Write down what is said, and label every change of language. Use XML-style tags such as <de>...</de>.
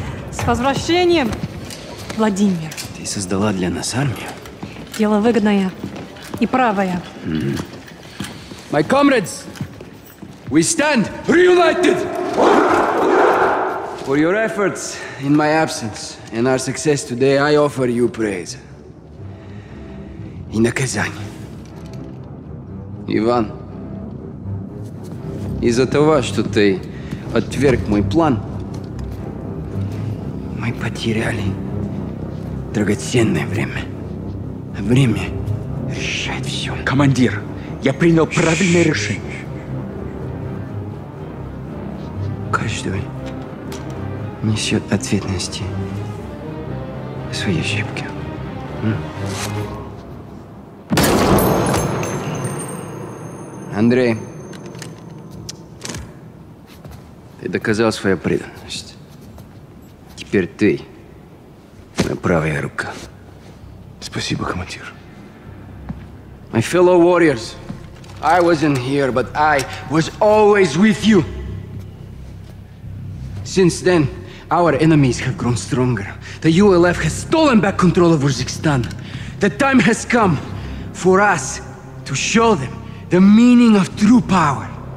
<ru>С возвращением, Владимир. Ты создала для нас армию? Дело выгодное и правое. Mm-hmm.</ru> <en>My comrades, we stand reunited for your efforts in my absence and our success today. I offer you praise.</en> <ru>И наказание. Иван, из-за того, что ты отверг мой план, мы потеряли драгоценное время. Время решает все. Командир, я принял правильное решение. Каждый несет ответственность за свои ошибки. Андрей, ты доказал свою преданность. Теперь ты моя правая рука. Спасибо, командир.</ru> <en>My fellow warriors, I wasn't here, but I was always with you. Since then, our enemies have grown stronger. The ULF has stolen back control of Uzbekistan. The time has come for us to show them the meaning of true power.</en>